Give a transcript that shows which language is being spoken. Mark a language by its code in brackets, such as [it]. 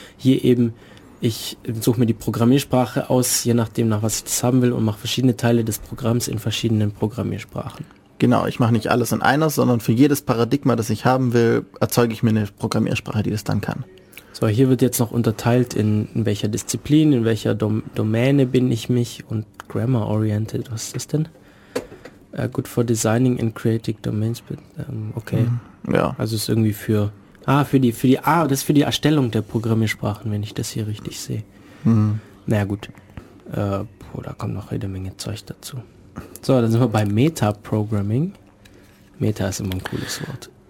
[de] Hier eben, ich suche mir die Programmiersprache aus, je nachdem, nach was ich das haben will, und mache verschiedene Teile des Programms in verschiedenen Programmiersprachen. Genau, ich mache nicht alles in einer, sondern für jedes Paradigma, das ich haben will, erzeuge ich mir eine Programmiersprache, die das dann kann. So, hier wird jetzt noch unterteilt, in welcher Disziplin, in welcher Domäne bin ich mich, und Grammar-Oriented, was ist das denn? [en] Good for designing and creating domains, okay. [de] Ja. Also ist irgendwie das ist für die Erstellung der Programmiersprachen, wenn ich das hier richtig sehe. Mhm. Na gut. Da kommt noch jede Menge Zeug dazu. So, dann sind wir bei Meta-Programming. Meta ist immer ein cooles Wort.